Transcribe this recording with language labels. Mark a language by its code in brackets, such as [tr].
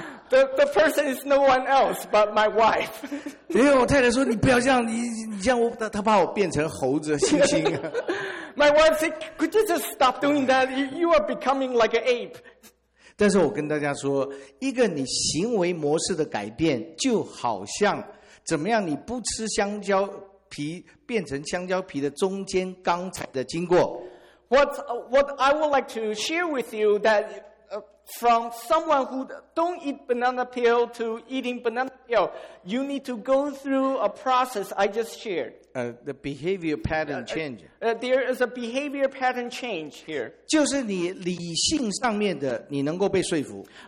[en] The person is no one else but my wife. [zh] 因为我太太说你不要这样，你这样我她把我变成猴子猩猩。 [en] My wife said, "Could you just stop doing that? You are becoming like an ape." [zh] 但是我跟大家说，一个你行为模式的改变，就好像怎么样，你不吃香蕉皮变成香蕉皮的中间刚才的经过。 [en] What I would like to share with you that. From someone who don't eat banana peel to eating banana peel, you need to go through a process I just shared. The behavior pattern change. There is a behavior pattern change here. [zh] 就是你理性上面的，你能够被说服。